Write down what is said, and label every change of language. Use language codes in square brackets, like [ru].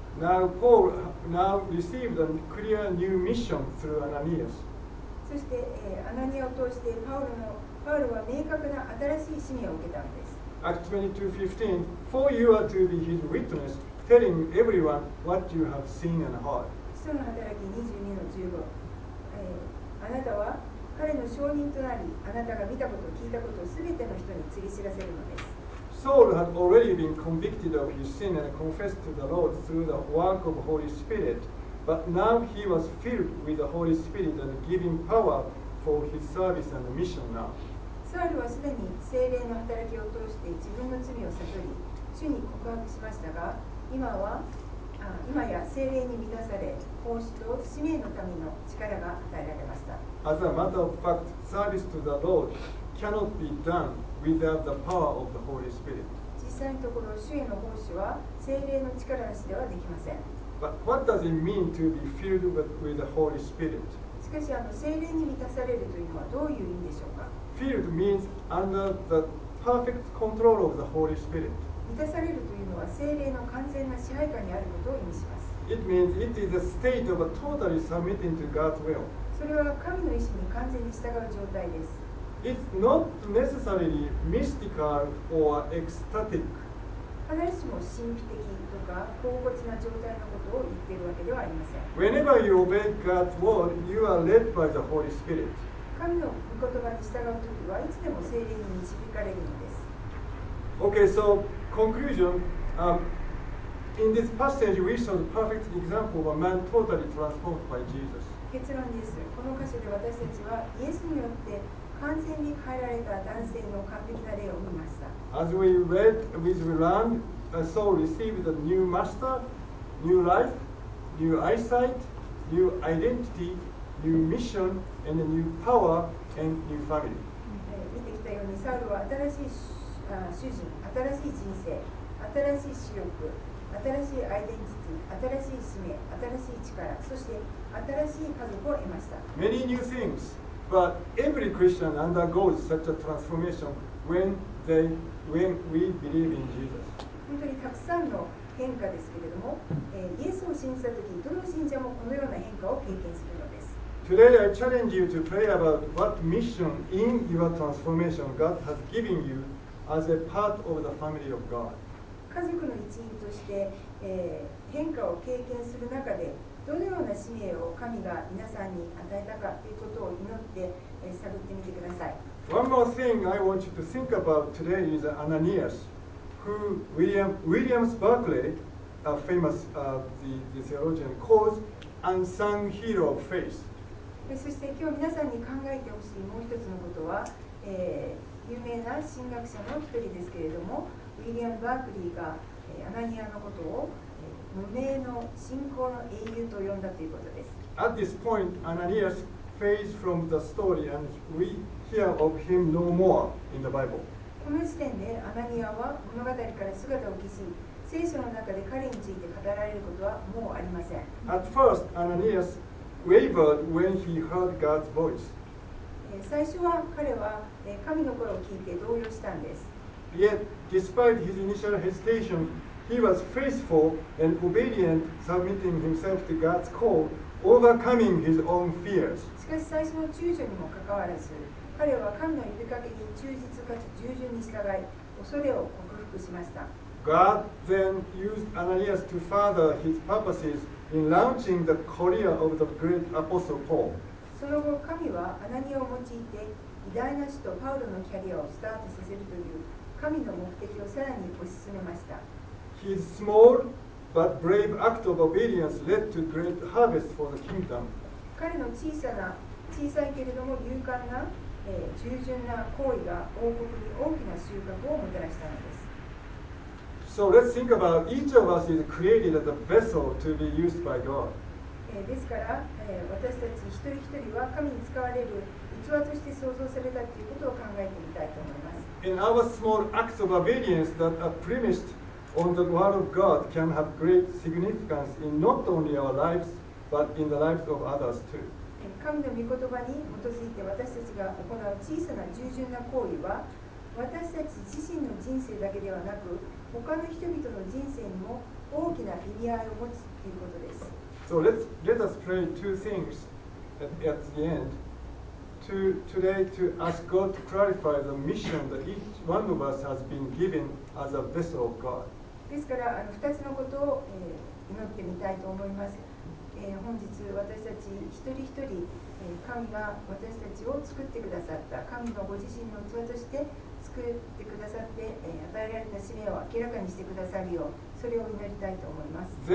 [en] Now Paul now received a clear new mission through Ananias. [ja] そしてアナニアを通してパウルは明確な新しい使命を受けたのです。 [en] Acts 22:15 For you are to be his witnessTelling everyone what you have seen and heard. [ja] 使徒の働き22:15、あなたは彼の証人となり、あなたが見たこと聞いたことをすべての人に告げ知らせるのです。 [en] Saul had already been convicted of his sin and confessed to the Lord through the work of the Holy Spirit, but now he was filled with the Holy Spirit and giving power for his service and mission now. [ja] サウルはすでに聖霊の働きを通して自分の罪を悟り、主に告白しましたが、今や聖霊に満たされ、奉仕と使命のための力が与えられました。 [en] As a matter of fact, service to the Lord cannot be done without the power of the Holy Spirit. [ja] 実際のところ、主への奉仕は聖霊の力なしではできません。 [en] But what does it mean to be filled with the Holy Spirit? [ja] しかし、聖霊に満たされるというのはどういう意味でしょうか? [en] Filled means under the perfect control of the Holy Spirit. [ja] 満たされるというのは聖霊の完全な支配下にあることを意味します。 [en] It means it is a state of a totally submitting to God's will. [ja] それは神の意思に完全に従う状態です。 [en] It's not necessarily mystical or ecstatic. [ja] 必ずしも神秘的とか高骨な状態のことを言っているわけではありません。 [en] Whenever you obey God's word, you are led by the Holy Spirit. [ja] 神の御言葉に従うときはいつでも聖霊に導かれるのです。 [en] Okay, so conclusion, in this passage we saw the perfect example of a man totally transformed by Jesus. [ja] 結論です。この箇所で私たちはイエスによって完全に変えられた男性の完璧な例を見ました。 [en] As we read, as we learned, Saul received a new master, new life, new eyesight, new identity, new mission, and a new power and new family. [ja] 見てきたようにサウルは新しい主人、新しい人生、新しい視力、新しいアイデンティティ、新しい使命、新しい力、そして新しい家族を得ました。 [en] Many new things, but every Christian undergoes such a transformation when we believe in Jesus. [ja] 本当にたくさんの変化ですけれども、イエスを信じたとき、どの信者もこのような変化を経験するのです。 [en] Today I challenge you to pray about what mission in your transformation God has given you. As a part of the family of God. [ja] 家族の一員として、変化を経験する中でどのような使命を神が皆さんに与えたかということを祈って、探ってみてください。 [en] One more thing I want you to think about today is Ananias, who Williams Berkeley, a famous the theologian, calls unsung hero of faith. [ja] そして今日皆さんに考えてほしいもう一つのことは、有名な神学者の一人ですけれども、ウィリアム・バークリーがアナニアのことを無名の信仰の英雄と呼んだということです。 [en] At this point, Ananias fades from the story and we hear of him no more in the Bible. [ja] この時点でアナニアは物語から姿を消し、聖書の中で彼について語られることはもうありません。 [en] At first, Ananias wavered when he heard God's voice. [ja] 最初は彼は神の声を聞いて動揺したんです。 [en] Yet, despite his initial hesitation, he was faithful and obedient, submitting himself to God's call, overcoming his own fears. [ja] しかし最初の躊躇にもかかわらず、彼は神の呼びかけに忠実かつ従順に従い、恐れを克服しました。 [en] God then used Ananias to further his purposes in launching the career of the great apostle Paul. [ja] その後、神はアナニアを用いて偉大な使徒パウロのキャリアをスタートさせるという神の目的をさらに推し進めました。 [en] His small, But brave act of obedience led to great harvest for the kingdom. [ja] 彼の小さいけれども勇敢な、従順な行為が王国に大きな収穫をもたらしたのです。 [en] So let's think about each of us is created as a vessel to be used by God. [ja] ですから、私たち一人一人は神に使われる器として創造されたということを考えてみたいと思います。 [en] In our small acts of obedience that are premised on the word of God can have great significance in not only our lives, but in the lives of others too. [ja] 神の御言葉に基づいて私たちが行う小さな従順な行為は、私たち自身の人生だけではなく、他の人々の人生にも大きな意味合いを持つということです。 [en] So let us pray two things at the end. Today to ask God to clarify the mission that each one of us has been given as a vessel of God. [ja] ですから2つのことを祈ってみたいと思います。本日私たち一人一人、神が私たちを作ってくださった、神がご自身の器として作ってくださって、与えられた使命を明らかにしてくださるよう、それを祈りたいと思います。